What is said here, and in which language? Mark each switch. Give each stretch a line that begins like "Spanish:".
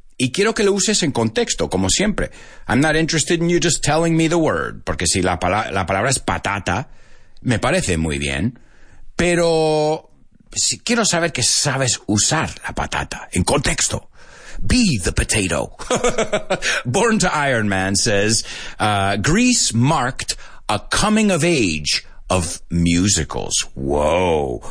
Spanish: Y quiero que lo uses en contexto, como siempre.
English: I'm not interested in you just telling me the word.
Spanish: Porque si la palabra es patata, me parece muy bien. Pero si quiero saber que sabes usar la patata en contexto.
English: Be the potato. Born to Iron Man says, Greece marked a coming of age of musicals. Wow.